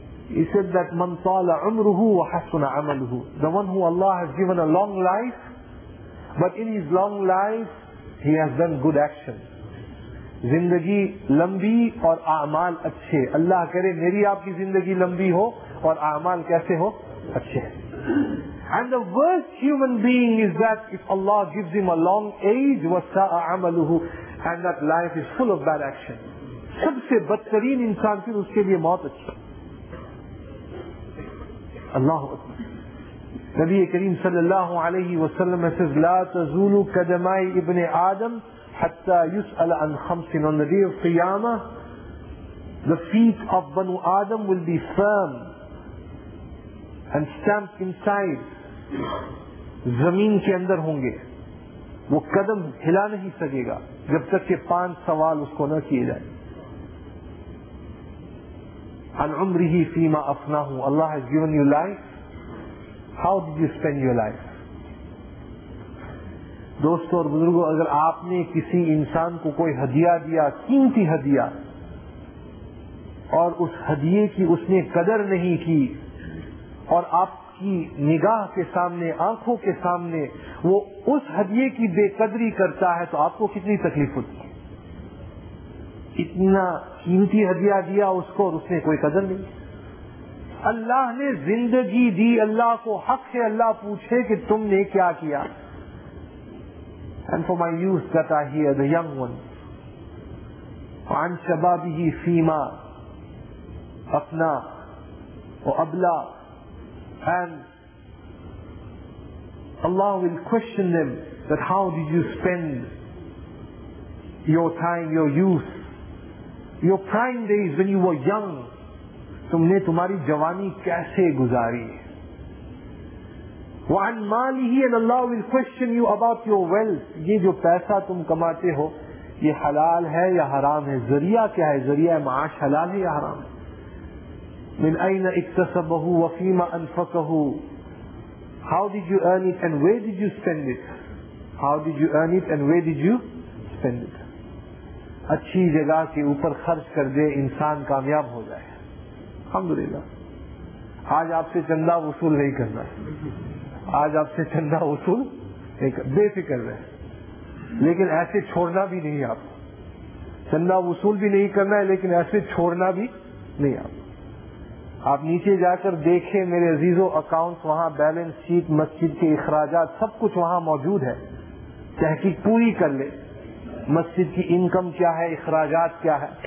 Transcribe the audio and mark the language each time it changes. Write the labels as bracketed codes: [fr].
[en] He said that [ar] مَنْ طَالَ عُمْرُهُ وَحَسُنَ عَمَلُهُ. [en] The one who Allah has given a long life, but in his long life he has done good action. [ur] زندگی لمبی اور اعمال اچھے. Allah کرے میری آپ کی زندگی لمبی ہو اور اعمال کیسے ہو اچھے. [en] And the worst human being is that if Allah gives him a long age, [ar] وَسَاءَ عَمَلُهُ, [en] and that life is full of bad action. [ur] سب سے بدترین انسان پھر اس کے لئے موت اچھی. اللہ اکبر. [ar] نبی کریم صلی اللہ علیہ وسلم says لا تزول قدمائی ابن آدم حتى يسأل عن خمس. [en] On the day of قیامہ the feet of بنو آدم will be firm and stamped inside. [ur] زمین کے اندر ہوں گے, وہ قدم ہلا نہیں سکے گا جب تک کہ پانچ سوال اس کو نہ کیے جائے. [ar] عن عمره فیما افناہ. [en] Allah has given you life, how did you spend your life? [ur] دوستو اور بزرگو, اگر آپ نے کسی انسان کو کوئی ہدیہ دیا, قیمتی ہدیہ, اور اس ہدیے کی اس نے قدر نہیں کی, اور آپ کی نگاہ کے سامنے, آنکھوں کے سامنے وہ اس ہدیے کی بے قدری کرتا ہے, تو آپ کو کتنی تکلیف ہوتی ہے. اتنا قیمتی ہدیہ دیا اس کو اور اس نے کوئی قدر نہیں. اللہ نے زندگی دی, اللہ کو حق ہے اللہ پوچھے کہ تم نے کیا کیا. [en] And for my youth that are here, the young ones, [ar] عن شبابه فیما اپنا وابلا. [en] And Allah will question them that how did you spend your time, your youth, your prime days when you were young. [ur] تمنے تمہاری جوانی کیسے گزاری. [ar] وَعَنْ مَالِهِ. [en] And Allah will question you about your wealth. [ur] یہ جو پیسہ تم کماتے ہو یہ حلال ہے یا حرام ہے, ذریعہ کیا ہے, ذریعہ معاش حلال ہے یا حرام ہے. [ar] من أين اكتسبه وفيما أنفقه. [en] How did you earn it and where did you spend it? How did you earn it and where did you spend it? [ur] اچھی جگہ کے اوپر خرچ کر دے انسان کامیاب ہو جائے الحمدللہ آج آپ سے چندہ وصول نہیں کرنا ہے آج آپ سے چندہ وصول بے فکر رہے لیکن ایسے چھوڑنا بھی نہیں آپ چندہ وصول بھی نہیں کرنا ہے لیکن ایسے چھوڑنا بھی نہیں آپ آپ نیچے جا کر دیکھیں میرے عزیزو اکاؤنٹ وہاں بیلنس شیٹ مسجد کے اخراجات سب کچھ وہاں موجود ہے تحقیق پوری کر لیں مسجد کی انکم کیا ہے اخراجات کیا ہے